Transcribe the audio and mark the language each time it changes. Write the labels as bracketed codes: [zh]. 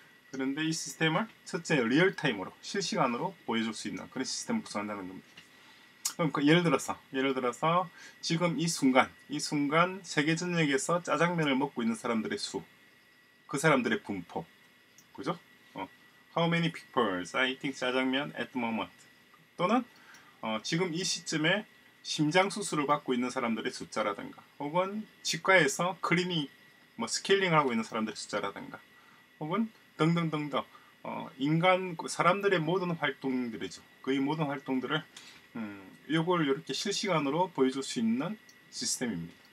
[ko] 그런데 이 시스템을 첫째 리얼타임으로, 실시간으로 보여줄 수 있는 그런 시스템을 구성한다는 겁니다. 그럼 예를 들어서 지금 이 순간 세계 전역에서 짜장면을 먹고 있는 사람들의 수, 그 사람들의 분포, 그죠? [en] How many people are eating 짜장면 at the moment? [ko] 또는 지금 이 시점에 심장 수술을 받고 있는 사람들의 숫자라든가, 혹은 치과에서 클리닝, 뭐 스케일링을 하고 있는 사람들의 숫자라든가, 혹은 등등등등 인간 사람들의 모든 활동들이죠. 거의 모든 활동들을 요걸 이렇게 실시간으로 보여줄 수 있는 시스템입니다.